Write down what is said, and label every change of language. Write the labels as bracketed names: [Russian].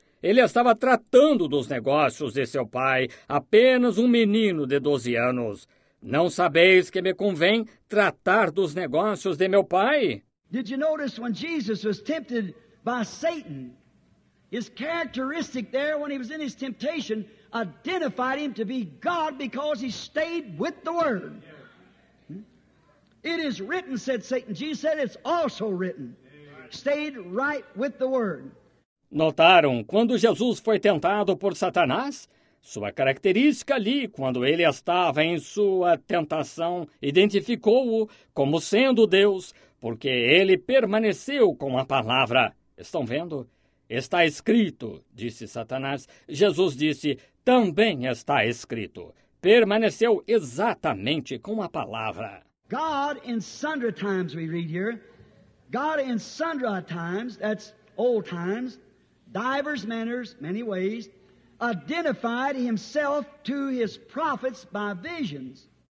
[Portuguese] Ele estava tratando dos negócios de seu pai, apenas um menino de 12 anos. Não sabeis que me convém tratar dos negócios de meu pai? [English] Did you notice when Jesus was tempted by Satan? His characteristic there when he was in his temptation identified him to be God because he stayed with the Word. It is written, said Satan. Jesus said, it's also written. Stayed right with the word. [Portuguese] Notaram, quando Jesus foi tentado por Satanás, sua característica ali, quando ele estava em sua tentação, identificou-o como sendo Deus, porque ele permaneceu com a palavra. Estão vendo? Está escrito, disse Satanás. Jesus disse, também está escrito. Permaneceu exatamente com a palavra. [English] God in sundry times, we read here. God in sundry times, that's old times, divers manners, many ways, identified himself to his prophets by visions.